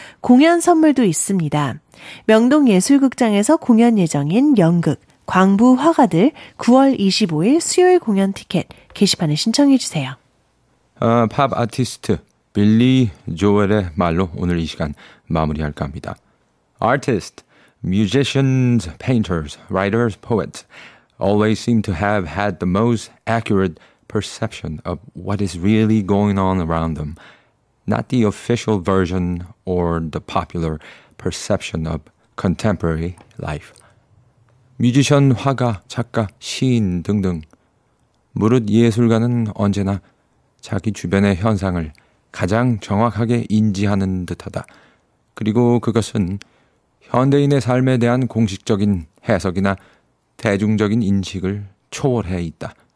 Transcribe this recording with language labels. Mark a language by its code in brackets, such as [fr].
[ko] 공연 선물도 있습니다. 명동 예술극장에서 공연 예정인 연극, 광부 화가들 9월 25일 수요일 공연 티켓 게시판에 신청해 주세요. 팝 아티스트 빌리 조엘의 말로 오늘 이 시간 마무리할까 합니다. [en] Artists, musicians, painters, writers, poets always seem to have had the most accurate perception of what is really going on around them, not the official version or the popular perception of contemporary life. [ko] 뮤지션, 화가, 작가, 시인 등등 무릇 예술가는 언제나 자기 주변의 현상을 가장 정확하게 인지하는 듯하다. 그리고 그것은 현대인의 삶에 대한 공식적인 해석이나 대중적인 인식을 초월해 있다.